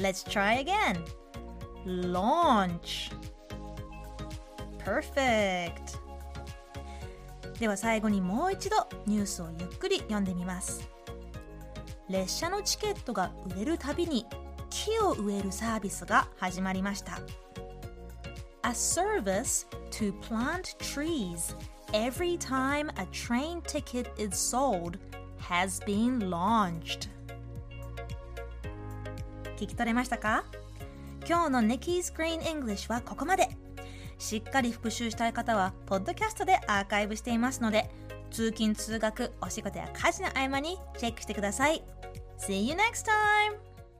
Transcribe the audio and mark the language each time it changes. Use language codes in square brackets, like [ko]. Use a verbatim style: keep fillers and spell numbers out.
[en] Let's try again。 Launch Perfect。 [ja] では最後にもう一度ニュースをゆっくり読んでみます。列車のチケットが売れるたびに木を植えるサービスが始まりました。 [en] A service to plant trees every time a train ticket is sold has been launched。 [ja] 聞き取れましたか？今日の Nikki's Green English はここまで。しっかり復習したい方はポッドキャストでアーカイブしていますので、通勤通学、お仕事や家事の合間にチェックしてください。 [en] See you next time!